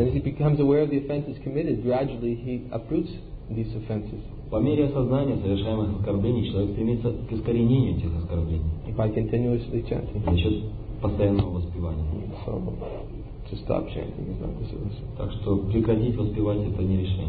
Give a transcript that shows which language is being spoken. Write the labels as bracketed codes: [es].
[en] And as he becomes aware of the offenses committed, gradually he uproots these offenses. [ru] По мере осознания совершаемых оскорблений человек стремится к искоренению этих оскорблений. [en] By continuously chanting. [ru] За счет постоянного воспевания. [en] So, to stop chanting is not the solution. [ru] Так что прекратить воспевать — это не решение.